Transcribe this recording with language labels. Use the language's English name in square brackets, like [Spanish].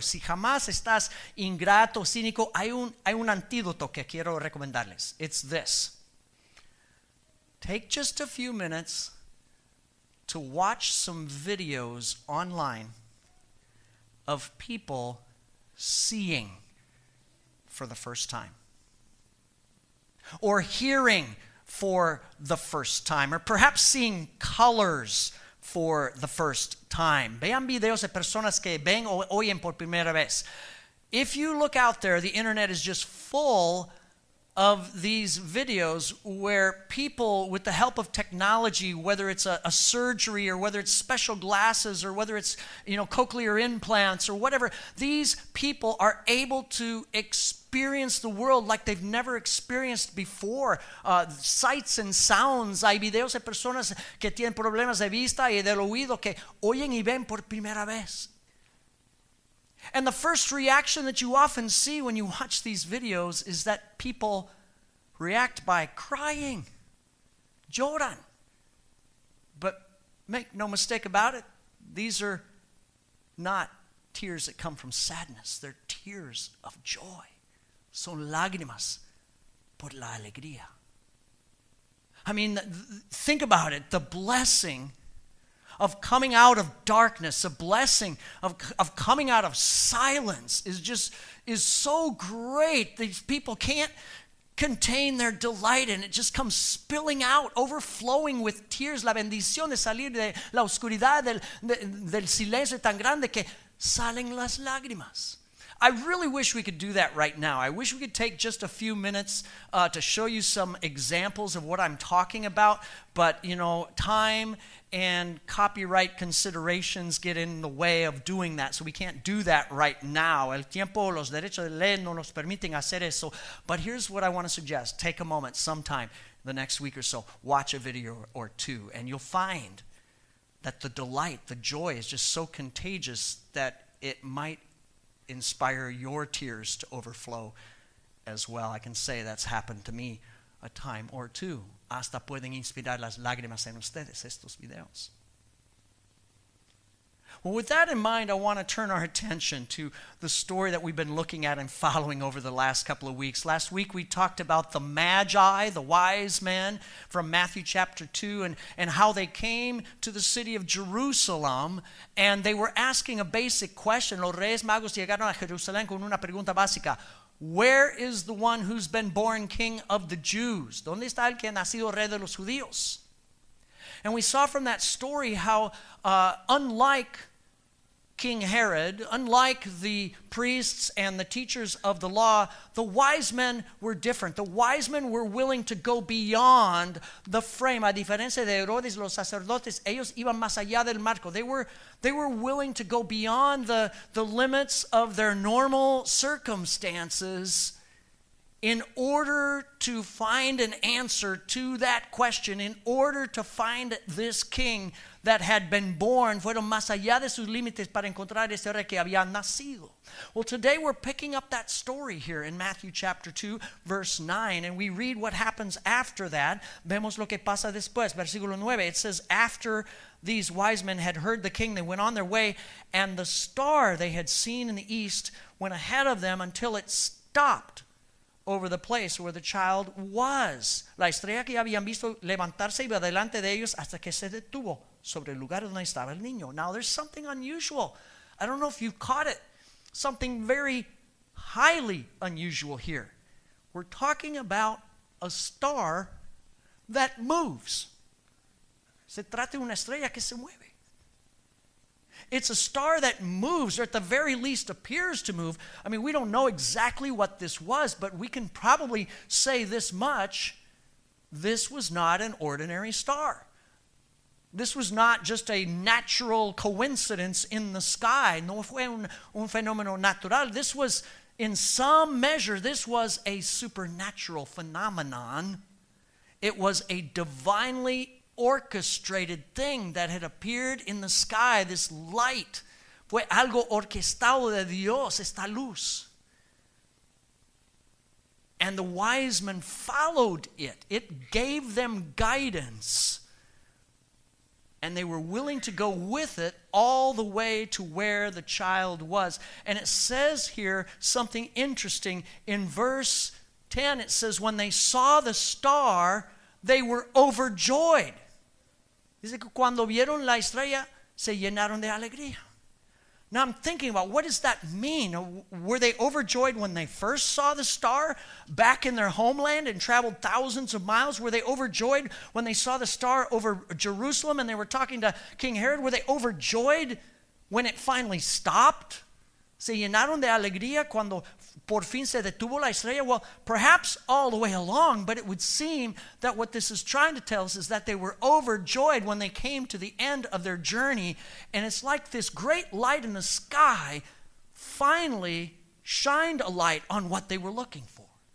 [Spanish] Si jamás estás ingrato, cínico, hay un antídoto que quiero recomendarles. [English] It's this. Take just a few minutes to watch some videos online of people seeing for the first time, or hearing for the first time, or perhaps seeing colors for the first time. [Spanish] Vean videos de personas que ven o oyen por primera vez. [English] If you look out there, the internet is just full of these videos where people, with the help of technology, whether it's a surgery or whether it's special glasses or whether it's, you know, cochlear implants or whatever, these people are able to experience the world like they've never experienced before. Sights and sounds. [Spanish] Hay videos de personas que tienen problemas de vista y del oído que oyen y ven por primera vez. [English] And the first reaction that you often see when you watch these videos is that people react by crying. [Spanish] Lloran. [English] But make no mistake about it, these are not tears that come from sadness. They're tears of joy. [Spanish] Son lágrimas por la alegría. [English] I mean, think about it. The blessing of coming out of darkness, a blessing of coming out of silence is so great. These people can't contain their delight and it just comes spilling out, overflowing with tears. [Spanish] La bendición de salir de la oscuridad del silencio tan grande que salen las lágrimas. [English] I really wish we could do that right now. I wish we could take just a few minutes to show you some examples of what I'm talking about. But, you know, time and copyright considerations get in the way of doing that. So we can't do that right now. [Spanish] El tiempo, los derechos de ley no nos permiten hacer eso. [English] But here's what I want to suggest. Take a moment sometime the next week or so. Watch a video or two. And you'll find that the delight, the joy is just so contagious that it might inspire your tears to overflow as well. I can say that's happened to me a time or two. [Spanish] Hasta pueden inspirar las lágrimas en ustedes estos videos. [English] Well, with that in mind, I want to turn our attention to the story that we've been looking at and following over the last couple of weeks. Last week, we talked about the Magi, the wise men from Matthew chapter 2, and how they came to the city of Jerusalem, and they were asking a basic question. [Spanish] Los Reyes Magos llegaron a Jerusalén con una pregunta básica. [English] Where is the one who's been born king of the Jews? [Spanish] ¿Dónde está el que ha nacido rey de los judíos? [English] And we saw from that story how, unlike King Herod, unlike the priests and the teachers of the law, the wise men were different. The wise men were willing to go beyond the frame. [Spanish] A diferencia de Herodes, los sacerdotes, ellos iban más allá del marco. [English] They were willing to go beyond the limits of their normal circumstances in order to find an answer to that question, in order to find this king that had been born. [Spanish] Fueron más allá de sus límites para encontrar ese rey que había nacido. [English] Well, today we're picking up that story here in Matthew chapter 2, verse 9, and we read what happens after that. [Spanish] Vemos lo que pasa después. Versículo 9, [English] it says, after these wise men had heard the king, they went on their way, and the star they had seen in the east went ahead of them until it stopped over the place where the child was. [Spanish] La estrella que habían visto levantarse iba delante de ellos hasta que se detuvo sobre el lugar donde estaba el niño. [English] Now there's something unusual. I don't know if you caught it. Something very highly unusual here. We're talking about a star that moves. [Spanish] Se trata de una estrella que se mueve. [English] It's a star that moves, or at the very least appears to move. I mean, we don't know exactly what this was, but we can probably say this much. This was not an ordinary star. This was not just a natural coincidence in the sky. [Spanish] No fue un fenómeno natural. [English] This was, in some measure, this was a supernatural phenomenon. It was a divinely orchestrated thing that had appeared in the sky, this light. [Spanish] Fue algo orquestado de Dios, esta luz. [English] And the wise men followed it. It gave them guidance. And they were willing to go with it all the way to where the child was. And it says here something interesting. In verse 10, it says, when they saw the star, they were overjoyed. [Spanish] Dice que cuando vieron la estrella, se llenaron de alegría. [English] Now I'm thinking about, what does that mean? Were they overjoyed when they first saw the star back in their homeland and traveled thousands of miles? Were they overjoyed when they saw the star over Jerusalem and they were talking to King Herod? Were they overjoyed when it finally stopped? [Spanish] Se llenaron de alegría cuando por fin se detuvo la estrella? [English] Well, perhaps all the way along, but it would seem that what this is trying to tell us is that they were overjoyed when they came to the end of their journey, and it's like this great light in the sky finally shined a light on what they were looking for.